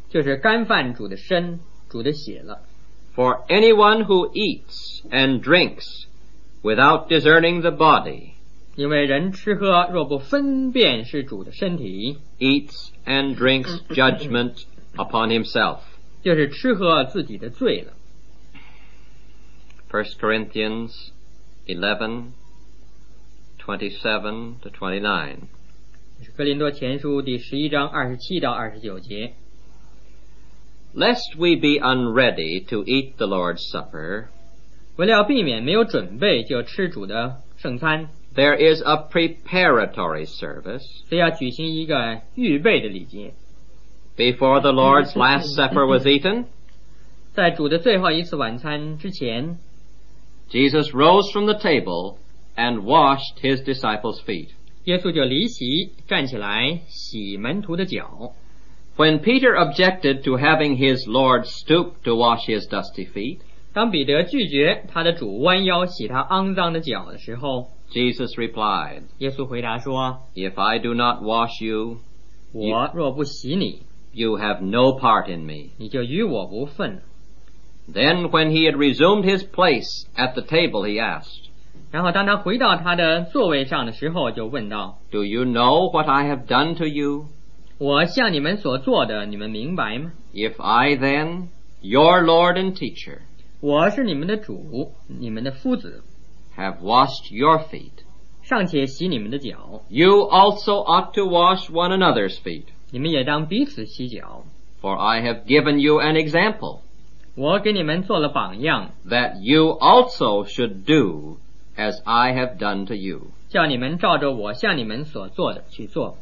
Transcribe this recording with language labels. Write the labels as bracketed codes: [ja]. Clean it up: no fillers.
[zh] 就是干犯主的身主的血了。 [en] For anyone who eats and drinks without discerning the body, [zh] 因为人吃喝若不分辨是主的身体, [en] eats and drinks judgment upon himself, [zh] 就是吃喝自己的罪了。 [en] 1 Corinthians 11:27-29, [zh] 哥林多前书第十一章二十七到二十九节。 [en] Lest we be unready to eat the Lord's Supper, [zh] 为了避免没有准备就吃主的圣餐, [en] there is a preparatory service, [zh] 所以要举行一个预备的礼节。 [en] Before the Lord's Last Supper was eaten, [zh] 在主的最后一次晚餐之前, [en] Jesus rose from the table and washed his disciples' feet. [zh] 耶稣就离席站起来洗门徒的脚。 [en] When Peter objected to having his Lord stoop to wash his dusty feet, [zh] 当彼得拒绝他的主弯腰洗他肮脏的脚的时候, [en] Jesus replied, [zh] 耶稣回答说, [en] If I do not wash you, [zh] 我若不洗你, [en] you have no part in me. [zh] 你就与我不分。 [en] Then when he had resumed his place at the table, he asked, [zh] 然后当他回到他的座位上的时候就问道, [en] Do you know what I have done to you? [zh] 我向你们所做的你们明白吗? [en] If I then, your Lord and teacher, [zh] 我是你们的主你们的夫子, [en] have washed your feet, [zh] 尚且洗你们的脚, [en] you also ought to wash one another's feet, [zh] 你们也当彼此洗脚, [en] for I have given you an example, [zh] 我给你们做了榜样, [en] that you also should do as I have done to you. [zh] 叫你们照着我向你们所做的去做。